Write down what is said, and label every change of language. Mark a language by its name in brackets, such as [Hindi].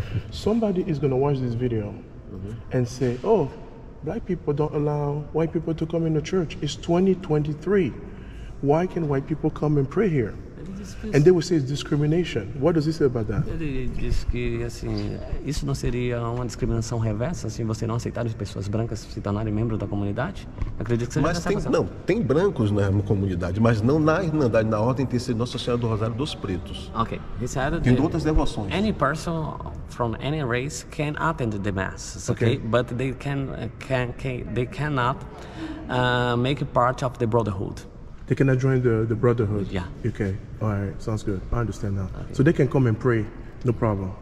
[English] Somebody is going to watch this video and say, oh, black people don't allow white people to come in the church. It's 2023. Why can white people come and pray here? And they will say it's discrimination. What does he say about that? [Portuguese] Ele diz que assim, isso não seria uma discriminação reversa, assim, você não aceitar as pessoas brancas se tornarem membros da comunidade? Acredito que seja essa coisa. Não, tem brancos na comunidade, mas não na Irmandade, na Ordem tem sido Nossa Senhora do Rosário dos Pretos. [English] Ok. He said [Portuguese] tem outras devoções. [English] Any person from any race can attend the mass, okay? But they cannot make part of the brotherhood. They cannot join the brotherhood. Yeah. Okay. All right. Sounds good. I understand now. Okay. So they can come and pray. No problem.